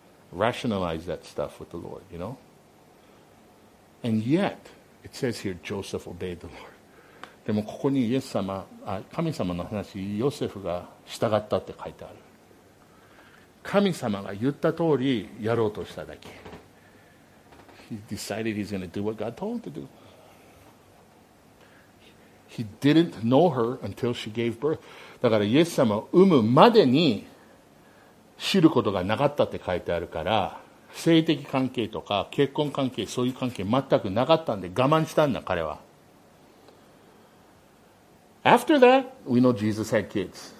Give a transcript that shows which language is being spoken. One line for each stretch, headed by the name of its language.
English: Rationalize that stuff with the Lord, you know? And yet, it says here, Joseph obeyed the Lord.
Japanese: でもここにイエス様、神様の話、ヨセフが従ったって書いてある。神様が言った通りやろうとしただけ。
English: He decided he's going to do what God told him to do. He didn't know her until she gave birth.
Japanese: だからイエス様を産むまでに知ることがなかったって書いてあるから、性的関係とか結婚関係、そういう関係全くなかったんで我慢したんだ彼は。
English: After that, we know Jesus had kids.